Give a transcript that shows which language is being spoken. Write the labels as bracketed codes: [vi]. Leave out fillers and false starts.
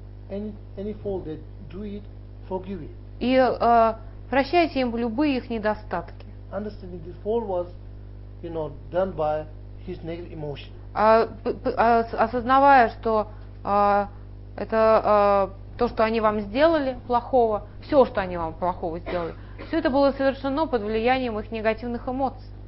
[en] And any fault they do it, forgive it. [ru] И прощайте им любые их недостатки. [en] Understanding this fall was, done by his negative emotion. [ru] Осознавая, что это то, что они вам сделали плохого, все, что они вам плохого сделали, все это было совершено под влиянием их негативных эмоций.